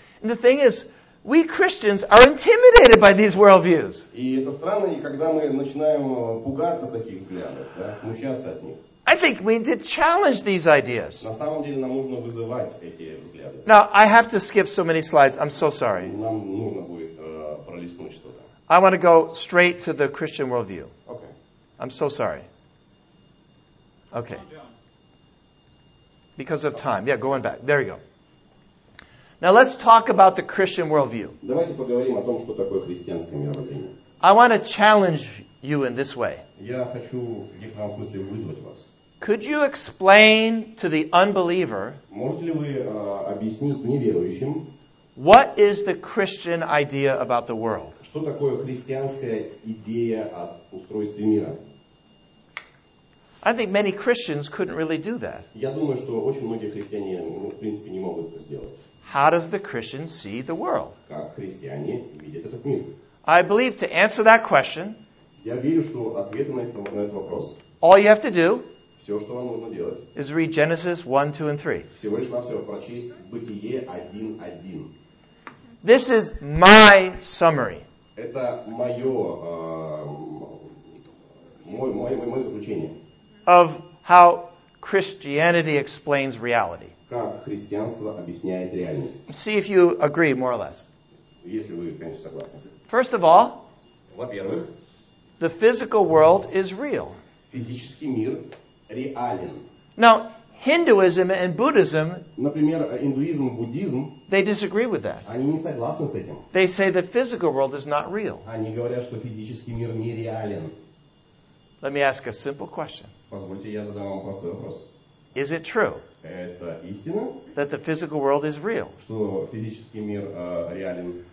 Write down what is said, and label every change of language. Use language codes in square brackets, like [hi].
[en] And the thing is, we Christians are intimidated by these worldviews. [ru] И это странно, когда мы начинаем пугаться таких взглядов, да, смущаться от них. [en] I think we need to challenge these ideas. [ru] На самом деле нам нужно вызывать эти взгляды. [en] Now, I have to skip so many slides. I'm so sorry. [ru] Нам нужно будет пролистнуть что-то. [en] I want to go straight to the Christian worldview. Okay. I'm so sorry. Okay. Because of time. Yeah, going back. There you go. Now let's talk about the Christian worldview. [ru] Давайте поговорим о том, что такое христианское мировоззрение. [en] I want to challenge you in this way. [ru] Я хочу в некотором смысле вызвать вас. [en] Could you explain to the unbeliever, [ru] можете ли вы объяснить неверующим, [en] what is the Christian idea about the world? [ru] Что такое христианская идея о устройстве мира? [en] I think many Christians couldn't really do that. [ru] Я думаю, что очень многие христиане, ну, в принципе, не могут это сделать. [en] How does the Christian see the world? [ru] Как христиане видят этот мир? [en] I believe to answer that question, [ru] я верю, что ответ на этот вопрос, [en] all you have to do, [ru] все, что вам нужно делать, [en] is read Genesis 1, 2, and 3. [ru] Всего лишь навсего прочесть Бытие 1:1. [en] This is my summary. [ru] Это мое заключение. [en] Of how Christianity explains reality. [ru] Как христианство объясняет реальность. [en] See if you agree, more or less. [ru] Если вы, конечно, согласны. [en] First of all, [ru] во-первых, [en] the physical world is real. [ru] Физический мир реален. [en] Now, Hinduism and Buddhism, [ru] например, индуизм и буддизм, [en] they disagree with that. [ru] Они не согласны с этим. [en] They say the physical world is not real. [ru] Они говорят, что физический мир не реален. [en] Let me ask a simple question. [ru] Позвольте, я задам вам простой вопрос. [en] Is it true? [ru] Это истина? [en] That the physical world is real? [ru] Что физический мир реален?